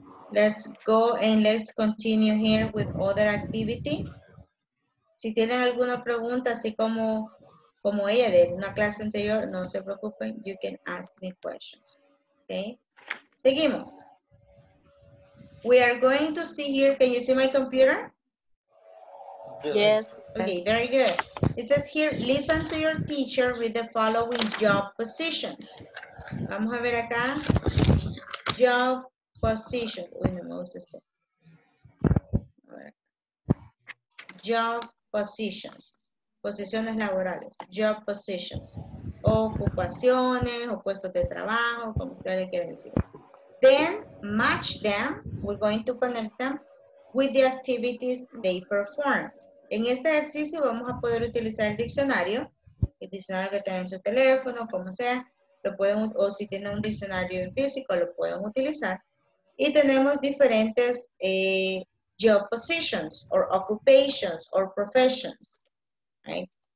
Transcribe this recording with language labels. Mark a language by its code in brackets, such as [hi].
[en] Let's go and let's continue here with other activity. [es] Si tienen alguna pregunta, así como ella de una clase anterior, no se preocupen. [en] You can ask me questions. Okay, [es] seguimos. [en] We are going to see here. Can you see my computer? Yes. Okay, very good. It says here, listen to your teacher with the following job positions. [es] Vamos a ver acá. Job position. Uy, no me gusta esto. [en] Job positions. [es] Posiciones laborales. [en] Job positions. [es] Ocupaciones o puestos de trabajo, como ustedes le quieren decir. [en] Then, match them. We're going to connect them with the activities they perform. [es] En este ejercicio vamos a poder utilizar el diccionario que tenga en su teléfono, como sea, lo pueden, o si tiene un diccionario en físico, lo pueden utilizar. Y tenemos diferentes [en] job positions, or occupations, or professions. Right?